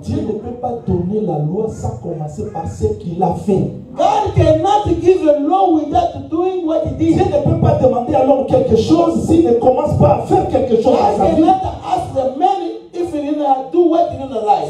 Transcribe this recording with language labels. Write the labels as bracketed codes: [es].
[fr] Dieu ne peut pas donner la loi sans commencer par ce qu'il a fait. [en] God cannot give a law without doing what he did. [fr] Dieu ne peut pas demander à l'homme quelque chose s'il ne commence pas à faire quelque chose. [en] God cannot ask the man if he didn't do what he did in the life.